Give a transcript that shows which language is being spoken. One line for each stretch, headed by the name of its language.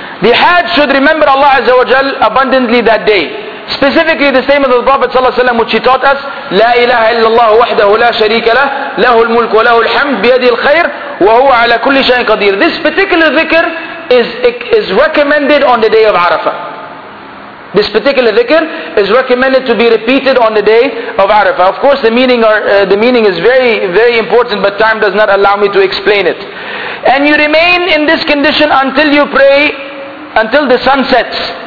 English: The Hajj should remember Allah Azza wa Jal abundantly that day. Specifically the statement of the Prophet sallallahu alaihi wasallam, which he taught us,
Arabic: لا إله إلا الله وحده لا شريك له له الملك وله الحمد بيده الخير وهو على كل شيء قدير.
English: This particular dhikr is recommended on the day of Arafah. This particular dhikr is recommended to be repeated on the day of Arafah. Of course, the meaning is very, very important, but time does not allow me to explain it. And you remain in this condition until you pray, until the sun sets.